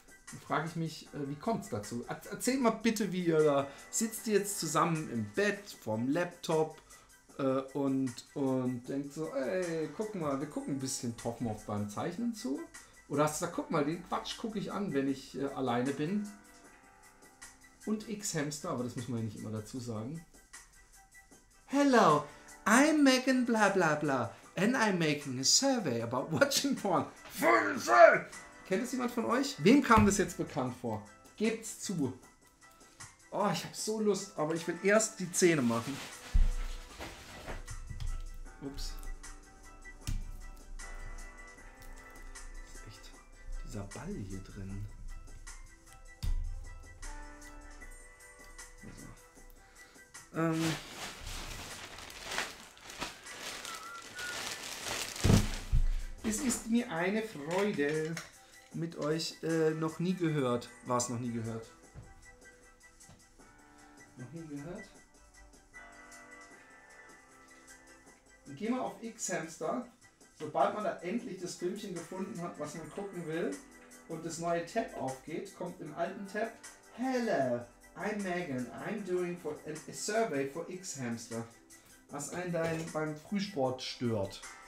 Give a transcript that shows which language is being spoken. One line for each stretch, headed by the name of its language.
German: Dann frage ich mich, wie kommt es dazu? Erzähl mal bitte, wie ihr da sitzt ihr jetzt zusammen im Bett vorm Laptop und denkt so, ey, guck mal, wir gucken ein bisschen Topmoff beim Zeichnen zu. Oder hast du gesagt, guck mal, den Quatsch gucke ich an, wenn ich alleine bin. Und X-Hamster, aber das muss man ja nicht immer dazu sagen.
English: Hello, I'm Megan bla bla bla. And I'm making a survey about watching porn.
German: Fünfzehn! Kennt es jemand von euch? Wem kam das jetzt bekannt vor? Gebt's zu. Oh, ich hab so Lust, aber ich will erst die Zähne machen. Ups. Das ist echt. Die dieser Ball hier drin? Also. Es ist mir eine Freude mit euch. Noch nie gehört. War es noch nie gehört? Noch nie gehört? Dann gehen wir auf X-Hamster. Sobald man da endlich das Filmchen gefunden hat, was man gucken will, und das neue Tab aufgeht, kommt im alten Tab:
English: Hello, I'm Megan. I'm doing for a survey for X-Hamster.
German: Was einen dann beim Frühsport stört.